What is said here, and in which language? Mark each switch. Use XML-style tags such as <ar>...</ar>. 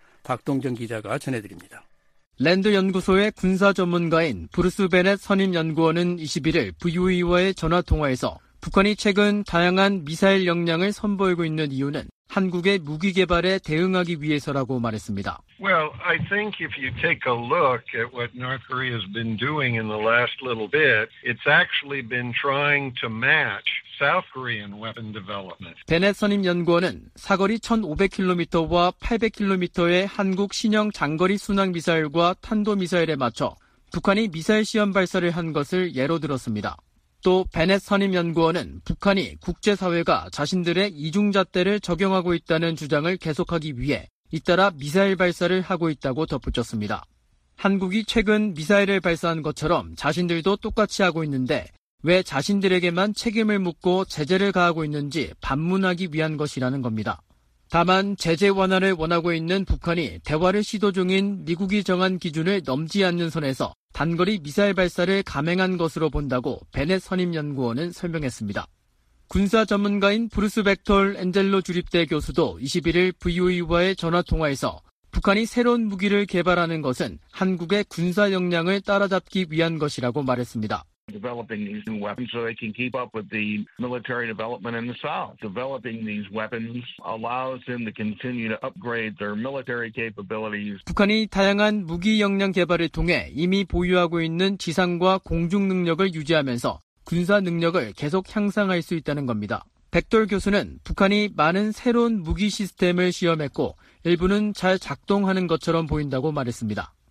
<ko>박동정 기자가 전해드립니다. 랜드 연구소의 군사 전문가인 브루스 베넷 선임 연구원은 21일 VOE와의 전화 통화에서 북한이 최근 다양한 미사일 역량을 선보이고 있는 이유는 한국의 무기 개발에 대응하기 위해서라고 말했습니다.</ko> <en>Well, I think if you take a look at what North Korea has been doing in the last little bit, it's actually been trying to match South Korean weapon development.</en> <ko>베넷 선임 연구원은 사거리 1,500km와 800km의 한국 신형 장거리 순항 미사일과 탄도 미사일에 맞춰 북한이 미사일 시험 발사를 한 것을 예로 들었습니다. 또 베넷 선임 연구원은 북한이 국제사회가 자신들의 이중잣대를 적용하고 있다는 주장을 계속하기 위해 잇따라 미사일 발사를 하고 있다고 덧붙였습니다. 한국이 최근 미사일을 발사한 것처럼 자신들도 똑같이 하고 있는데 왜 자신들에게만 책임을 묻고 제재를 가하고 있는지 반문하기 위한 것이라는 겁니다. 다만 제재 완화를 원하고 있는 북한이 대화를 시도 중인 미국이 정한 기준을 넘지 않는 선에서 단거리 미사일 발사를 감행한 것으로 본다고 베넷 선임연구원은 설명했습니다. 군사 전문가인 브루스 벡톨 엔젤로 주립대 교수도 21일 VOE와의 전화통화에서 북한이 새로운 무기를 개발하는 것은 한국의 군사 역량을 따라잡기 위한 것이라고 말했습니다.</ko> <en>Developing these new weapons so they can keep up with the military development in the South. Developing these weapons allows them to continue to upgrade their military capabilities.</en> <ko>북한이 다양한 무기 역량 개발을 통해 이미 보유하고 있는 지상과 공중 능력을 유지하면서 군사 능력을 계속 향상할 수 있다는 겁니다. 백돌 교수는 북한이 많은 새로운 무기 시스템을 시험했고 일부는 잘 작동하는 것처럼 보인다고 말했습니다.</ko>